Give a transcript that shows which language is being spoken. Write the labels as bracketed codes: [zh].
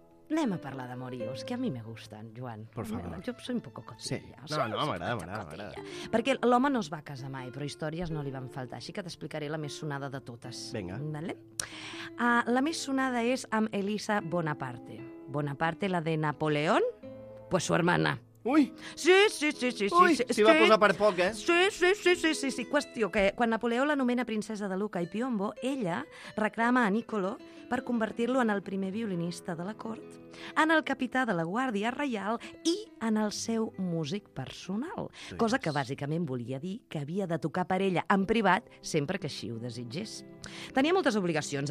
[ca] Anem a parlar de morios, [es] que a mi me gustan, [ca] Joan. [es] Por favor. Jo soy un poco cotilla. [ca] Sí. No, no, m'agrada. Perquè l'home no es va casar mai, però històries no li van faltar, així que t'explicaré la més sonada de totes. Vinga. Vale? La més sonada és amb Elisa Bonaparte. [es] Bonaparte, la de Napoleón, pues su hermana. [ca] Ui! Sí, sí, sí, sí, sí. Ui, t'hi va posar per poc, eh? Sí, sí, sí, sí, sí. Qüestió que quan Napoleó l'anomena princesa de Lucca i Piombo, ella reclama a Niccolò per convertir-lo en el primer violinista de la cort, en el capità de la Guàrdia Reial i en el seu músic personal. Cosa que bàsicament volia dir que havia de tocar per ella en privat sempre que així ho desitgés. Tenia moltes obligacions.